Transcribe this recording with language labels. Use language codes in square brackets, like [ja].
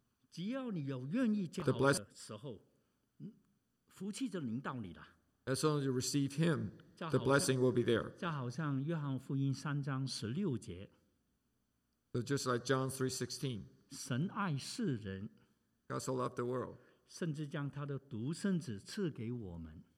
[zh] 只要你有愿意接受的时候。福气就临到你了。 [en] As long as you receive him, the blessing will be there. [zh] 就好像约翰福音三章十六节。 [en] So just like John 3:16. [zh] 神爱世人。 [en] God so loved the world. [zh] 甚至将他的独生子赐给我们。